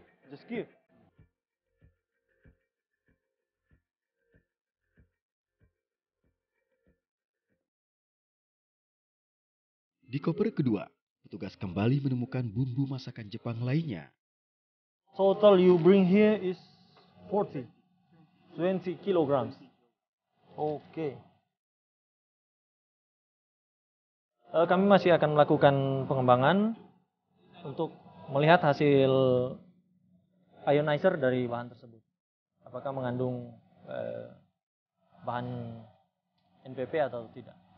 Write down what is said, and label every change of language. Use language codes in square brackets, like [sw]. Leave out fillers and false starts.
[en] Just give. [id] Di koper kedua, petugas kembali menemukan bumbu masakan Jepang lainnya. [en] Total you bring here is 20 kilograms. Oke. Okay. [id] Kami masih akan melakukan pengembangan untuk melihat hasil ionizer dari bahan tersebut. Apakah mengandung bahan NPP atau tidak.